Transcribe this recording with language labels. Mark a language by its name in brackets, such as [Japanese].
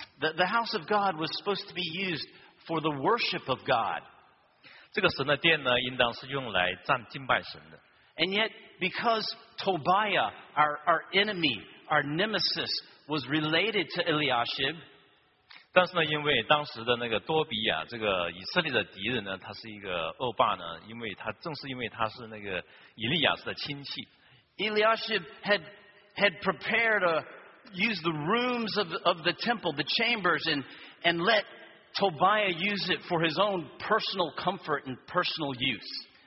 [English] The house of God was supposed to be used for the worship of God. [Chinese] 这个神的殿呢应当是用来赞敬拜神的。 [English] And yet, because Tobiah, our enemy, our nemesis, was related to Eliashib, [Chinese] 但是呢因为当时的那个多比亚这个以色列的敌人呢，他是一个恶霸呢，因为他正是因为他是那个以利亚什的亲戚。 [English] Eliashib had prepared to use the rooms of the temple, the chambers, and let Tobiah use it for his own personal comfort and personal use.